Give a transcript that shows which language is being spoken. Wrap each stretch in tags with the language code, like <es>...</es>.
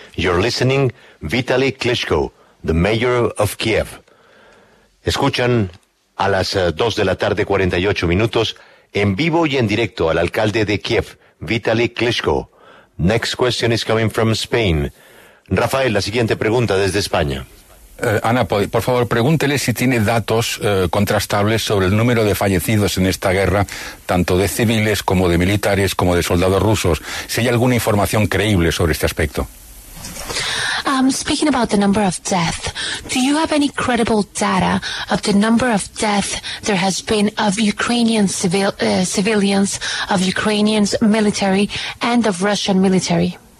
<en>You're listening, Vitaly Klitschko, the mayor of Kiev.</en> <es>Escuchan a las 2 de la tarde, 48 minutos, en vivo y en directo al alcalde de Kiev, Vitaly Klitschko.</es> <en>Next question is coming from Spain. Rafael,</en> <es>la siguiente pregunta desde España. Ana, por favor, pregúntele si tiene datos contrastables sobre el número de fallecidos en esta guerra, tanto de civiles como de militares, como de soldados rusos, si hay alguna información creíble sobre este aspecto.</es> <en>Speaking about the number of death, do you have any credible data of the number of death there has been of Ukrainian civilians, of Ukrainian military and of Russian military?</en>